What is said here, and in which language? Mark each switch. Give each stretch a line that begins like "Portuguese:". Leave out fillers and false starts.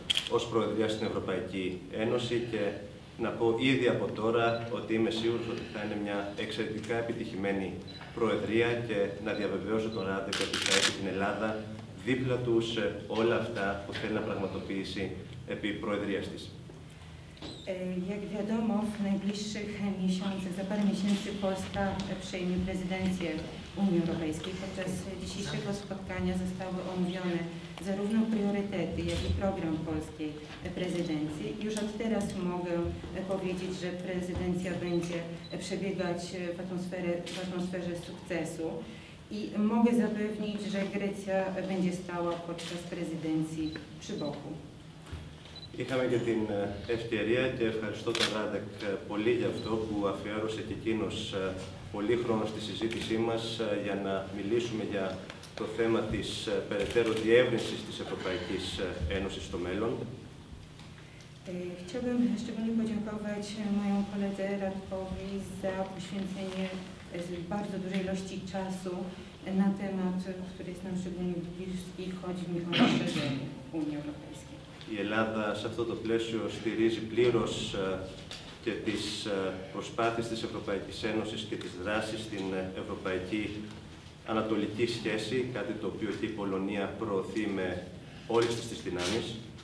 Greek: ως Προεδρία στην Ευρωπαϊκή Ένωση και να πω ήδη από τώρα ότι είμαι σίγουρος ότι θα είναι μια εξαιρετικά επιτυχημένη Προεδρία και να διαβεβαιώσω τον Ράδεκ ότι θα έχει την Ελλάδα δίπλα του σε όλα αυτά που θέλει να πραγματοποιήσει επί Προεδρίας της.
Polish: Jak wiadomo, w najbliższych miesiącach, za parę miesięcy Polska przejmie prezydencję Unii Europejskiej. Podczas dzisiejszego spotkania zostały omówione zarówno priorytety, jak i program polskiej prezydencji. Już od teraz mogę powiedzieć, że prezydencja będzie przebiegać w atmosferze sukcesu i mogę zapewnić, że Grecja będzie stała podczas prezydencji przy boku.
Greek: Είχαμε και την ευκαιρία και ευχαριστώ τον Ράντεκ πολύ για αυτό που αφιέρωσε και εκείνος πολύ χρόνο στη συζήτησή μας για να μιλήσουμε για το θέμα της περαιτέρω διεύρυνσης της Ευρωπαϊκής Ένωσης στο μέλλον.
Polish: Chciałbym szczególnie podziękować moją koledze Radkowi za poświęcenie bardzo dużej ilości czasu na temat, który jest nam szczególnie bliski, chodzi mi o rozszerzenie Unii Europejskiej.
Greek: Η Ελλάδα σε αυτό το πλαίσιο στηρίζει πλήρως και τις προσπάθειες της Ευρωπαϊκής Ένωσης και τις δράσεις στην Ευρωπαϊκή Ανατολική Σχέση, κάτι το οποίο έχει η Πολωνία προωθεί με όλες τις της δυνάμεις.